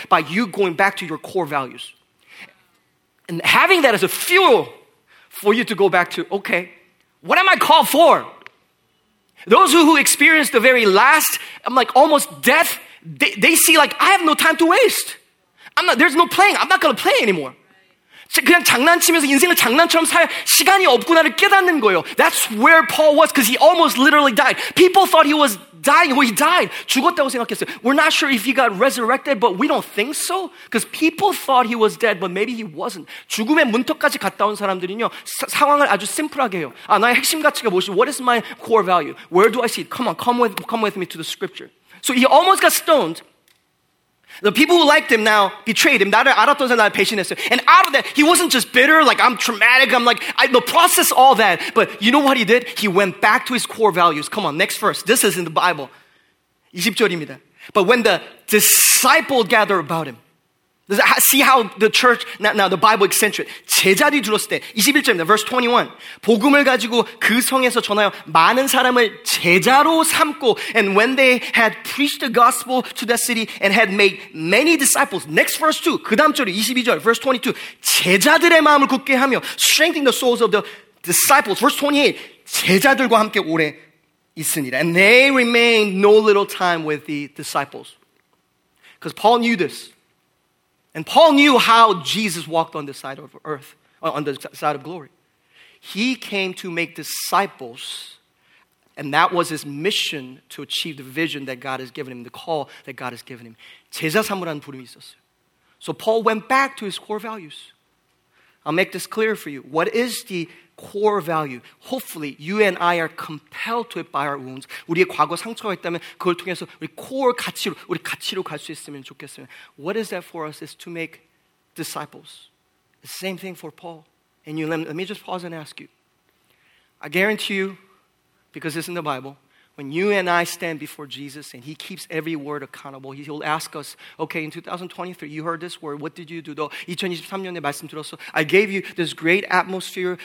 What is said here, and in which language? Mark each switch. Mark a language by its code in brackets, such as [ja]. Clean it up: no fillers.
[en] By you going back to your core values. And having that as a fuel for you to go back to, okay, what am I called for? Those who experienced the very last, I'm like almost death, they see like, I have no time to waste. There's no playing. I'm not going to play anymore. [ko] 그냥 장난치면서 인생을 장난처럼 살 시간이 없구나를 깨닫는 거예요. [en] That's where Paul was because he almost literally died. People thought he was dying. Well, he died. [ko] 죽었다고 생각했어요. [en] We're not sure if he got resurrected, but we don't think so. Because people thought he was dead, but maybe he wasn't. [ko] 죽음의 문턱까지 갔다 온 사람들은요, 상황을 아주 심플하게 해요. 아, 나의 핵심 가치가 무엇이? [en] What is my core value? Where do I see it? Come on, come with me to the scripture. So he almost got stoned. The people who liked him now betrayed him. [ko] 나를 알았던 사람 나를 배신했어요. [en] And out of that, he wasn't just bitter, like I'm traumatic, I'm like, the process, all that. But you know what he did? He went back to his core values. Come on, next verse. This is in the Bible. 20절입니다. But when the disciples gathered about him, see how the church, now the Bible accentuates. [ko] 제자들이 들었을 때, 21절입니다. [en] Verse 21. [ko] 복음을 가지고 그 성에서 전하여 많은 사람을 제자로 삼고, [en] and when they had preached the gospel to that city and had made many disciples. Next verse 2. [ko] 그 다음 절이 22절. [en] Verse 22. [ko] 제자들의 마음을 굳게 하며, [en] strengthening the souls of the disciples. Verse 28. [ko] 제자들과 함께 오래 있으니라. [en] And they remained no little time with the disciples. Because Paul knew this. And Paul knew how Jesus walked on the side of earth, on the side of glory. He came to make disciples, and that was his mission to achieve the vision that God has given him, the call that God has given him. [ko] 제자 삼으라는 부름이 있었어요. [en] So Paul went back to his core values. I'll make this clear for you. What is the core value? Hopefully, you and I are compelled to it by our wounds. [ko] 우리의 과거 상처가 있다면 그걸 통해서 우리 core 가치로, 우리 가치로 갈 수 있으면 좋겠습니다. [en] What is that for us? It's to make disciples. The same thing for Paul. And you, let me just pause and ask you. I guarantee you, because it's in the Bible, when you and I stand before Jesus and he keeps every word accountable, he'll ask us, okay, in 2023, you heard this word, what did you do? [ko] 2023년에 말씀 들었어. [en] I gave you this great atmosphere.